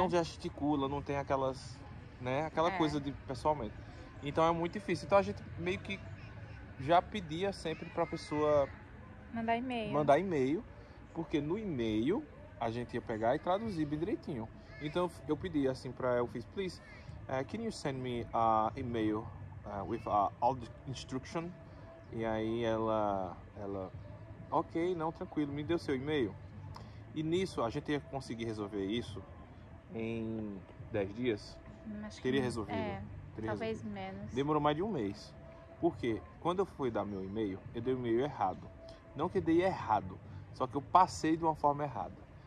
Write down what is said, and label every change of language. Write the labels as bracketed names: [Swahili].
[Portuguese] Não gesticula, não tem aquelas... Né? Aquela coisa de pessoalmente. Então é muito difícil. Então a gente meio que já pedia sempre pra pessoa... Mandar e-mail. Porque no e-mail a gente ia pegar e traduzir bem direitinho. Então eu pedi assim pra... Eu fiz, [English] please, can you send me a e-mail... With all the instruction. [Portuguese] E aí ela ok, não, tranquilo, me deu seu e-mail. E nisso, a gente ia conseguir resolver isso em 10 dias. Acho teria que... resolvido. Talvez menos. Demorou mais de um mês. Porque quando eu fui dar meu e-mail, eu dei o e-mail errado. Não que dei errado, só que eu passei de uma forma errada.